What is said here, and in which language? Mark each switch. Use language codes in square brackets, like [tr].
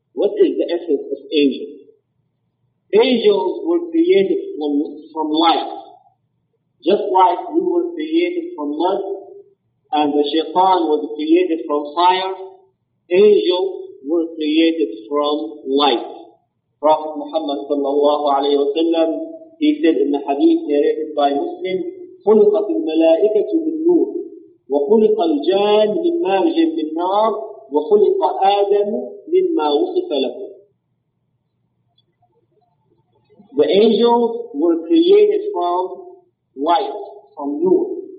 [en] What is the essence of angels? Angels were created from light. Just like we were created from mud, and the shaitan was created from fire, angels were created from light. Prophet Muhammad sallallahu alayhi wa sallam, he said in the hadith narrated by Muslim, [ar] خُلِقَ فِي الْمَلَائِكَةُ مِنْ نُورِ وَخُلِقَ الْجَانِ مِنْ مَارِجٍ مِنْ نَارِ وَخُلِقَ آدَمُ مِمَّا وُصِفَ لَهُ. [en] The angels were created from light, from nur.